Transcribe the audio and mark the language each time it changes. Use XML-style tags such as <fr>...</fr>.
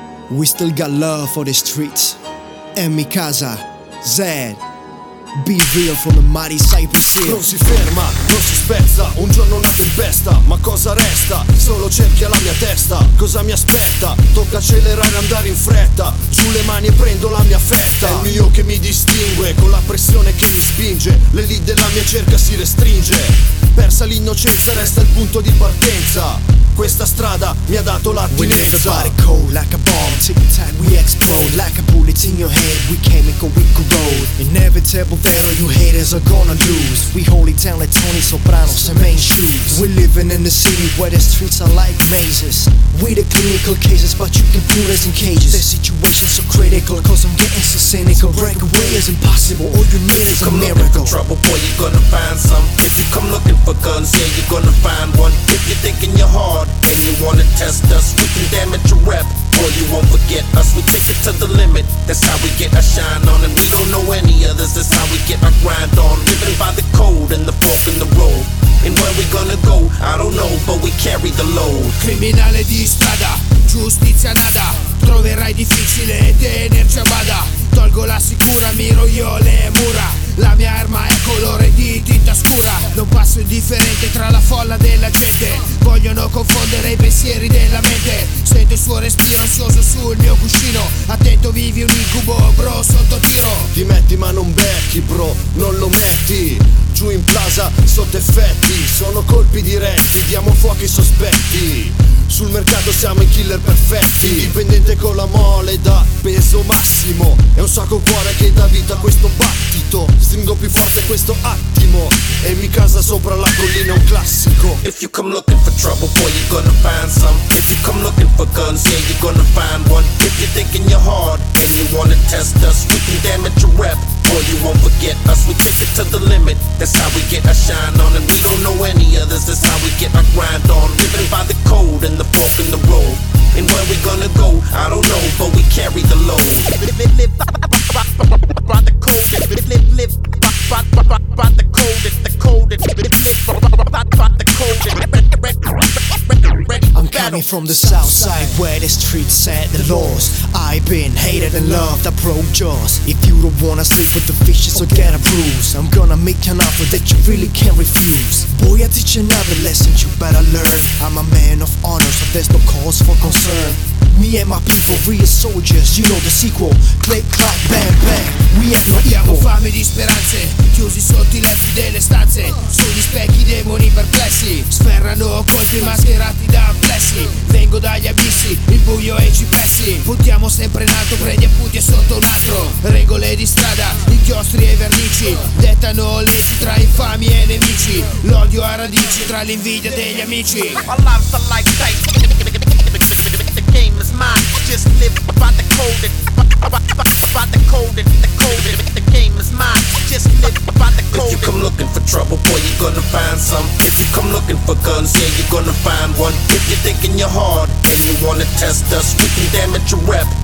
<en>We still got love for the streets. Emikaza, Zed. Be real from the mighty Cypress Hill.</en> <it>Non si ferma, non si spezza. Un giorno una tempesta, ma cosa resta? Solo cerchia la mia testa. Cosa mi aspetta? Tocca accelerare e andare in fretta. Giù le mani e prendo la mia fetta. È il mio che mi distingue, con la pressione che mi spinge. L'elite della mia cerca si restringe. Persa l'innocenza, resta il punto di partenza. Questa strada mi ha dato l'attinenza.</it> <en>We leave the body cold like a bomb. Take time, we explode like a bullet in your head. We chemical, we corrode. Inevitable that all you haters are gonna lose. We hold it down like Tony Soprano's and main shoes. We living in a city where the streets are like mazes. We the clinical cases, but you can put us in cages. The situation's so critical, cause I'm getting so cynical. Break away is impossible, all you need is a miracle. If you come looking for trouble, boy, you're gonna find some. If you come looking for guns, yeah, you're gonna find one. If you're thinking you're hard and you wanna test us, we can damage your rep. Boy, you won't forget us. We take it to the limit. That's how we get our shine on. And we don't know any others. That's how we get our grind on. Living by the code and the fork in the road. And where we gonna go? I don't know, but we carry the load.</en> <it>Criminale di strada, giustizia nada. Troverai difficile tenerci a bada. Tolgo la sicura, miro io le mura. La mia arma è colore di tinta scura. Non passo indifferente tra la folla della gente. Vogliono confondere i pensieri della mente. Sento il suo respiro ansioso sul mio cuscino. Attento, vivi un incubo, bro, sotto tiro. Ti metti ma non becchi, bro, non lo metti. Giù in plaza, sotto effetti. Sono colpi diretti, diamo fuoco ai sospetti. Sul mercato siamo i killer perfetti. Indipendente con la mole da peso massimo. È un sacco cuore che dà vita a questo battito. Stringo più forte questo attimo. E mi casa sopra la collina è un classico.</it> <en>If you come looking for trouble, boy, you're gonna find some. If you come looking for guns, yeah, you're gonna find one. If you're thinking you're hard and you wanna test us, we can damage your rep. Boy, you won't forget us. We take it to the limit. That's how we get our shine on. And we don't know any others. That's how we get our grind on. Living by the code and the fork in the road. And where we gonna go? I don't know, but we carry the load. Coming from the south side where the streets set the laws. I've been hated and loved, I broke jaws. If you don't wanna sleep with the fishes, so get a bruise. I'm gonna make an offer that you really can't refuse. Boy, I teach another lesson you better learn. I'm a man of honor, so there's no cause for concern. Me and my people, real soldiers, you know the sequel. Click, clack, bam, bam, we have no equal.</en> <it>Abbiamo fame di speranze, chiusi sotto i letti delle stanze. Sugli specchi, demoni perplessi. Sferrano colpi mascherati da amplessi. Vengo dagli abissi, il buio e i cipressi. Puntiamo sempre in alto, prendi appunti e sotto un altro. Regole di strada, inchiostri e vernici. Dettano leggi tra infami e nemici. L'odio ha radici tra l'invidia degli amici.</it> <en>Just live by the code and the code and the game is mine. Just live by the code. If you come looking for trouble, boy, you're gonna find some. If you come looking for guns, yeah, you're gonna find one. If you're thinking you're hard and you wanna test us, we can damage your rep.</en>